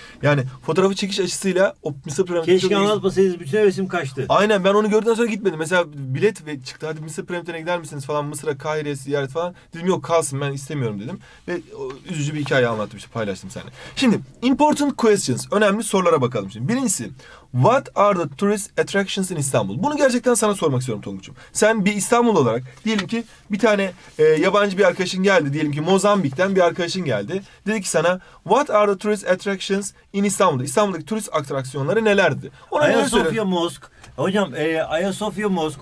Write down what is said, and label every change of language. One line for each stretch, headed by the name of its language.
Turkish: Yani fotoğrafı çekiş açısıyla o Mısır piramitleri... Keşke anlatmasaydınız, bütün hevesim kaçtı. Aynen, ben onu gördükten sonra gitmedim. Mesela bilet ve çıktı, hadi Mısır piramitlerine gider misiniz falan, Mısır'a, Kahire'ye ziyaret falan. Dedim yok, kalsın, ben istemiyorum dedim. Ve üzücü bir hikaye anlattım işte, paylaştım seninle. Şimdi
English: important questions,
Turkish: önemli sorulara bakalım şimdi. Birincisi,
English: what are the tourist attractions in İstanbul?
Turkish: Bunu gerçekten sana sormak istiyorum Tonguç'um. Sen bir İstanbul olarak, diyelim ki bir tane yabancı bir arkadaşın geldi. Diyelim ki Mozambik'ten bir arkadaşın geldi. Dedi ki sana,
English: what are the tourist attractions in İstanbul'da?
Turkish: İstanbul'daki turist atraksiyonları nelerdi? Ona Ayasofya Mosk. Hocam Ayasofya Mosk.